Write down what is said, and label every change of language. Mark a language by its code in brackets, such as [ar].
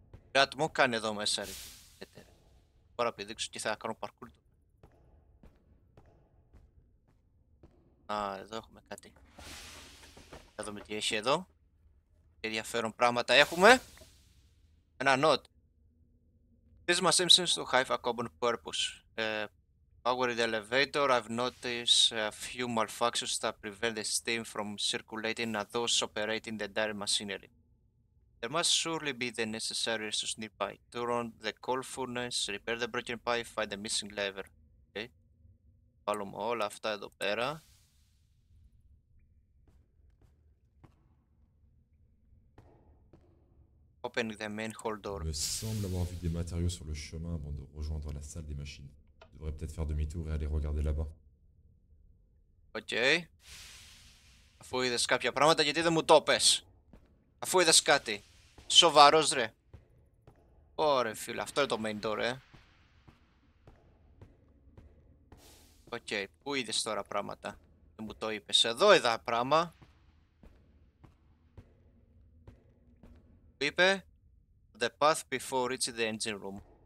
[el] Κάτι μου κάνει εδώ μέσα, ρε. Τώρα πηδήξω και θα κάνω parkour. Α, εδώ έχουμε κάτι. Θα δούμε τι έχει εδώ. Και ενδιαφέρον πράγματα έχουμε. Ένα νότ. [en] This must seem seems to have a common purpose. Power the elevator. I've noticed a few malfunctions that prevent the steam from circulating and those operating the dairy machinery. There must surely be the necessary resources nearby. Turn on the coal furnace, repair the broken pipe, find the missing lever. Okay. [el] Βάλουμε όλα αυτά εδώ πέρα. [en] Opening the main hall door. [fr] Il me semble avoir vu des matériaux sur le chemin avant de rejoindre la salle des machines. Je devrais peut-être faire demi-tour et aller regarder là-bas. Ok. [el] Αφού είδες κάποια πράγματα, γιατί δεν μου το πες. Αφού είδες κάτι. Σοβαρός ρε. Ωρε φίλε, αυτό είναι το [en] main door, [el] ε. Οκ, πού είδες τώρα πράγματα. Δεν μου το είπες, εδώ είδα πράγμα. Είπε [en] the path before reaching the engine room.